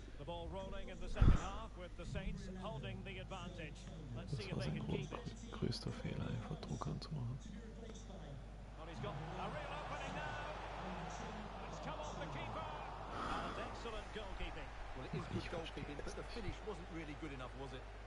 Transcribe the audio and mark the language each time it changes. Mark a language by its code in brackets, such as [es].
[en] Ball rolling in the second half with the Saints holding the advantage. Let's see if they can keep it. [de] Größter Fehler, einfach Druck anzumachen. [en] Well, he's got a real opening now. It's come off the keeper. And excellent goalkeeping. Well, it is good goalkeeping, but the finish wasn't really good enough, was it?